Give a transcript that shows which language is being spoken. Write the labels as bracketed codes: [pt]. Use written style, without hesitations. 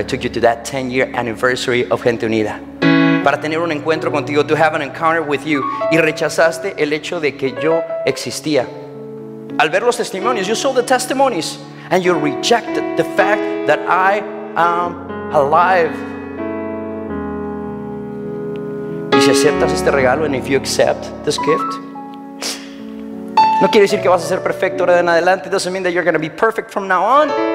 [en] I took you to that 10-year anniversary of Gente Unida. [es] Para tener un encuentro contigo, [en] to have an encounter with you. [es] Y rechazaste el hecho de que yo existía. Al ver los testimonios, [en] you saw the testimonies, and you rejected the fact that I am alive. [es] Y si aceptas este regalo, [en] and if you accept this gift, [es] no quiere decir que vas a ser perfecto ahora en adelante. [en] It doesn't mean that you're going to be perfect from now on.